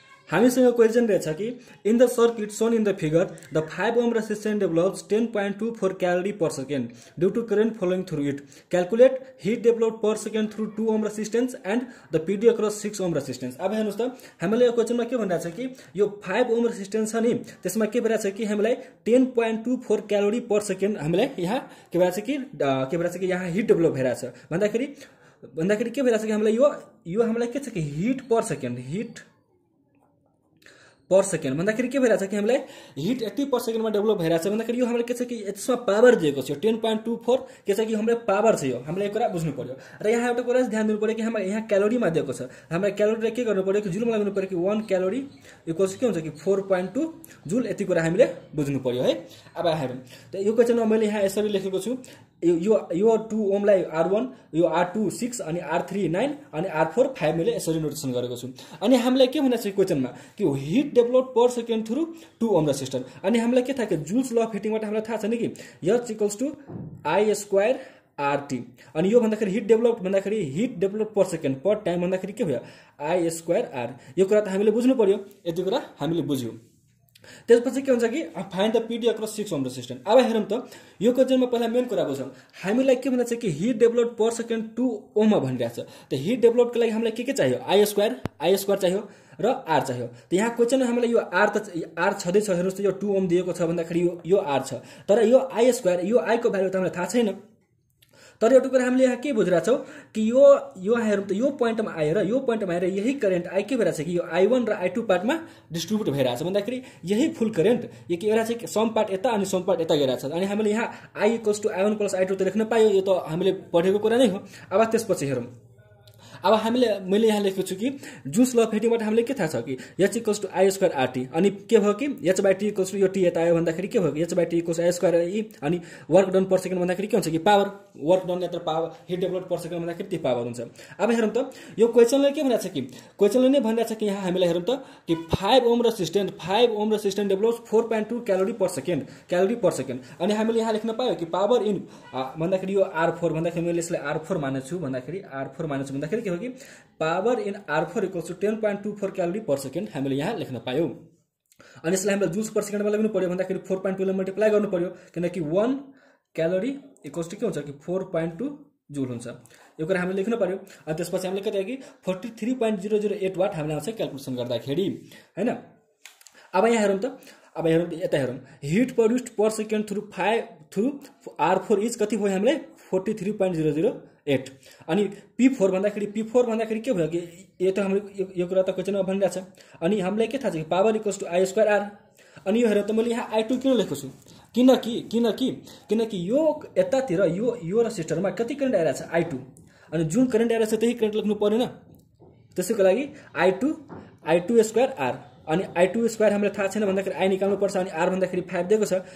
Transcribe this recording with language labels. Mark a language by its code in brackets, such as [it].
[ne] हामीसँग क्वेशन रहेछ कि [en] In the circuit shown in the figure the 5 ohm resistance develops 10.24 calorie per second due to current flowing through it calculate heat develop per second through 2 ohm resistance and the PD across 6 ohm resistance. [ne] अब हेर्नुहोस् त हामीले यो क्वेसनमा के भनिरहेको छ कि यो 5 ओम रेसिस्टेन्स छ नि त्यसमा के भइरहेको छ कि हामीलाई 10.24 क्यालोरी पर सेकेन्ड हामीलाई यहाँ के भइरहेको छ कि यहाँ हिट डेभलप भइरहेको छ भन्दाखेरि के भइरहेको छ कि हामीलाई यो हामीलाई के छ कि हिट पर सेकेन्ड भन्दाखेरि के भइरहेको छ कि हामीलाई हिट यति पर सेकेन्डमा डेभलप भइरहेको छ भन्दाखेरि यो हामीलाई के छ कि यसमा पावर दिएको छ. यो 10.24 के छ कि हामीलाई पावर छ यो हामीलाई यो कुरा बुझ्नु पऱ्यो. र यहाँ एउटा कुरा ध्यान दिनु पऱ्यो कि हामीलाई यहाँ क्यालोरीमा दिएको छ. हामीलाई क्यालोरीलाई के गर्नु पऱ्यो कि जुलमा लगाउनु पऱ्यो कि 1 क्यालोरी इक्वल्स के हुन्छ कि 4.2 जुल. यति कुरा हामीले बुझ्नु पऱ्यो है. अब हेरौँ त यो क्वेसनमा मैले यहाँ यसरी लेखेको छु यो 2 ओमलाई R1 यो R2 6 अनि R3 9 अनि R4 5 मैले यसरी नोटेसन गरेको छु. अनि हामीलाई के भन्न चाहिँ क्वेसनमा कि [en] Heat develop per second through 2 ohm resistor. [ne] अनि हामीलाई के थाहा छ जुल्स ल अफ हिटिङबाट हामीलाई थाहा छ नि कि [en] H equals to I square RT. [ne] अनि यो भन्दाखेरि हिट डेभलप पर सेकेन्ड पर टाइम भन्दाखेरि के भयो आई स्क्वायर आर. यो कुरा त हामीले बुझ्नु पऱ्यो. यति कुरा हामीले बुझ्यौँ. त्यसपछि के हुन्छ कि [en] Find the PD across 6 ohm resistance. [ne] अब हेरौँ त यो क्वेसनमा पहिला मेन कुरा बुझौँ हामीलाई के भन्दा छ कि हिट डेभलप पर सेकेन्ड 2 ओममा भनिरहेको छ. त हिट डेभलपको लागि हामीलाई के चाहियो आई स्क्वायर चाहियो र आर चाहियो. त यहाँ क्वेसनमा हामीलाई यो आर त आर छँदैछ. हेर्नुहोस् त यो 2 ओम दिएको छ भन्दाखेरि यो आर छ तर यो आई स्क्वायर यो आईको भ्यालु त हामीलाई थाहा छैन. तर एउटा कुरा हामीले यहाँ के बुझिरहेको छौँ कि यो हेरौँ त यो पोइन्टमा आएर यही करेन्ट आई के भइरहेको छ कि यो I1 र I2 पार्टमा डिस्ट्रिब्युट भइरहेको छ भन्दाखेरि यही फुल करेन्ट यो के भइरहेको छ कि सम पार्ट यता अनि सम पार्ट यता गइरहेको छ. अनि हामीले यहाँ I equals to I1 plus I2 त लेख्न पायो. यो त हामीले पढेको कुरा नै हो. अब त्यसपछि हेरौँ अब हामीले मैले यहाँ लेखेको छु कि जुस ल फेटिङबाट हामीले के थाहा छ कि H equals to I square RT. अनि के भयो कि H by T equals to यो टी यता आयो भन्दाखेरि के भयो कि H by T equals I square ई. अनि वर्क डन पर सेकेन्ड भन्दाखेरि के हुन्छ कि power work done यात्र power hit develop per second भन्दाखेरि त्यो पावर हुन्छ. अब हेरौँ त यो क्वेसनले के भनिरहेको छ कि क्वेसनले नै भनिरहेको छ कि यहाँ हामीलाई हेरौँ त कि [en] 5 ohm resistance develop 4.2 calorie per second. [ne] अनि हामीले यहाँ लेख्न पायो कि पावर इन भन्दाखेरि यो R4 भन्दाखेरि मैले यसलाई R4 मानेछु भन्दाखेरि के हो कि power in R4 equals to 10.24 calorie per second हामीले यहाँ लेख्न पायौँ. अनि यसलाई हामीले जुल्स पर सेकेन्डमा लगाउनु पऱ्यो भन्दाखेरि 4.2 मल्टिप्लाई गर्नु पऱ्यो किनकि 1 क्यालोरी इक्वल्स टु के हुन्छ कि 4.2 जुल हुन्छ. यो कुरा हामीले लेख्नु पऱ्यो. अनि त्यसपछि हामीले कति कि 43.008 वाट हामीलाई आउँछ क्यालकुलेसन गर्दाखेरि होइन. अब यहाँ हेरौँ त अब हेरौँ यता हेरौँ [en] heat produced per second through R4 is [ne] कति भयो हामीले 43.008. अनि P4 भन्दाखेरि के भयो कि यो त हामीले यो कुरा त क्वेसनमा भनिरहेको छ. अनि हामीलाई के थाहा छ कि power equals to I square are. अनि यो हेरौँ त मैले यहाँ I2 किन लेखेको छु किनकि यो यतातिर यो रेसिस्टरमा कति करेन्ट आइरहेको छ I2. अनि जुन करेन्ट आइरहेको छ त्यही करेन्ट लेख्नु परेन. त्यसैको लागि I2 स्क्वायर आर. अनि I2 स्क्वायर हामीलाई थाहा छैन भन्दाखेरि आई निकाल्नु पर्छ. अनि आर भन्दाखेरि 5 दिएको छ.